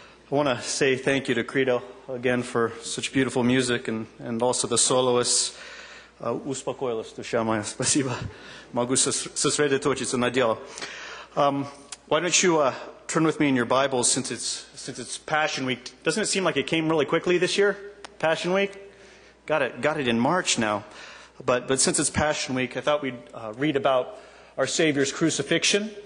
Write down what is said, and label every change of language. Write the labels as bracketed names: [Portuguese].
[English] I want to say thank you to Credo again for such beautiful music and also the soloists. [Russian] Успокоилась душа моя, спасибо. Могу сосредоточиться на дело. [English] Why don't you turn with me in your Bibles since it's Passion Week. Doesn't it seem like it came really quickly this year, Passion Week? Got it in March now. But since it's Passion Week, I thought we'd read about our Savior's crucifixion.